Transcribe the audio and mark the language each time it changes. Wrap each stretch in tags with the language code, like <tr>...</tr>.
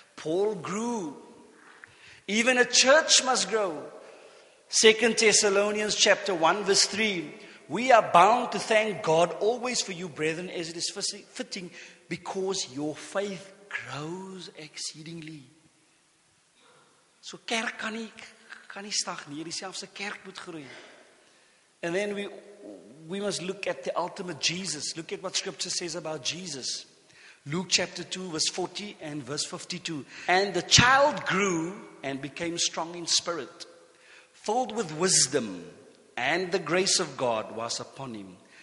<en>Paul grew. Even a church must grow. 2 Thessalonians chapter 1 verse 3. We are bound to thank God always for you, brethren, as it is fitting, because your faith grows exceedingly.</en> <af>So kerk kan nie stagneer, dieselfde kerk moet groei.</af> <en>And then we must look at the ultimate Jesus. Look at what scripture says about Jesus. Luke chapter 2 verse 40 and verse 52. And the child grew and became strong in spirit, filled with wisdom, and the grace of God was upon him.</en>